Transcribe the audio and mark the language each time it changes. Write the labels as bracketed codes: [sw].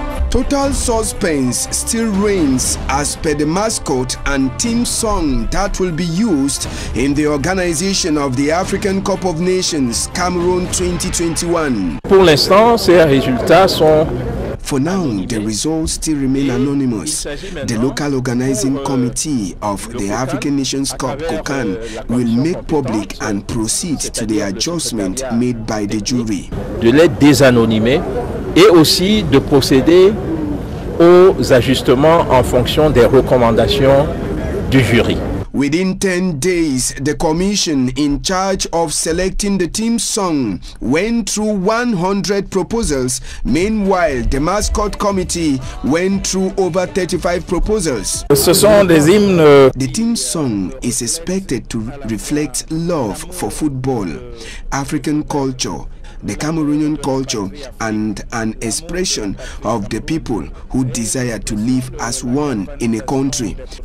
[en] Total suspense still reigns as per the mascot and theme song that will be used in the organization of the African Cup of Nations Cameroon 2021. [fr] Pour l'instant, ces résultats sont... [en] For now, the results still remain anonymous. The local organizing committee of the African Nations Cup, COCAN, will make public and proceed to the adjustment made by the jury. [fr] De les désanonymer et aussi de procéder aux ajustements en fonction des recommandations du jury. [en] Within 10 days, the commission in charge of selecting the theme song went through 100 proposals. Meanwhile, the mascot committee went through over 35 proposals. [fr] Ce sont des hymnes. [en] The theme song is expected to reflect love for football, African culture, the Cameroonian culture, and an expression of the people who desire to live as one in a country.